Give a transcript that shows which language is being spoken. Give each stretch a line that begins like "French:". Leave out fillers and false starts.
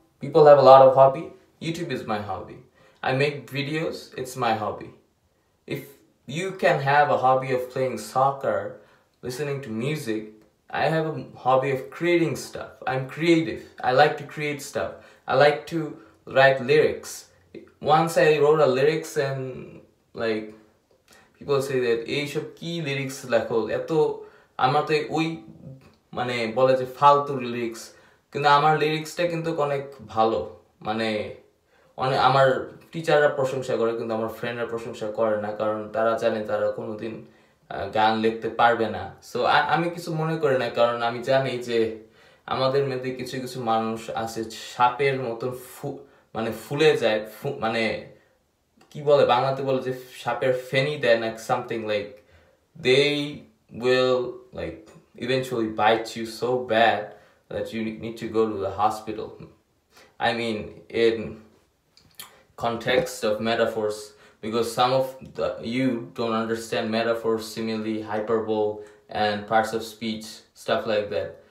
English: People have a lot of hobby. YouTube is my hobby. I make videos, it's my hobby. If you can have a hobby of playing soccer, listening to music, I have a hobby of creating stuff. I'm creative. I like to create stuff. I like to write lyrics. Once I wrote a lyrics and like people say that
Bangla: এইসব কি lyrics লেখো এত, আমার তো ওই মানে বলে যে ফালতু লিরিক্স, কিন্তু আমার লিরিক্সটা কিন্তু অনেক ভালো, মানে অনেক আমার টিচাররা প্রশংসা করে কিন্তু আমার ফ্রেন্ডরা প্রশংসা করে না, কারণ তারা জানে তারা কোনোদিন গান লিখতে পারবে না। সো আমি কিছু মনে করি না, কারণ আমি জানি যে আমাদের মধ্যে কিছু কিছু মানুষ আছে সাপের মতন মানে ফুলে যায়, মানে কি বলে বাংলাতে বলে যে সাপের ফেনি দেয় না,
English: Something like they will like eventually bite you so bad that you need to go to the hospital. I mean in context of metaphors, because some of the, you don't understand metaphors, simile, hyperbole and parts of speech, stuff like that.